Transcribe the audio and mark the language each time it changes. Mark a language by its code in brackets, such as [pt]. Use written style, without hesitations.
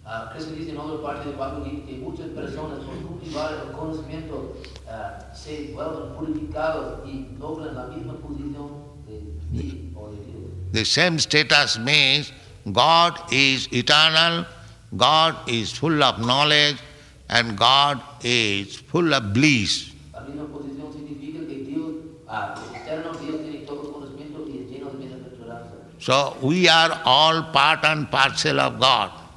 [es] Krishna dice [en] in other parts of the [es] Bhagavad Gita que muchas personas por cultivar el conocimiento se vuelven purificados y logran la misma posición de Dios. [en] The same status means God is eternal, God is full of knowledge, and God is full of bliss. [es] La misma posición significa que Dios eterno, Dios tiene todo el conocimiento y es lleno de bienaventuranza. [en] So we are all part and parcel of God.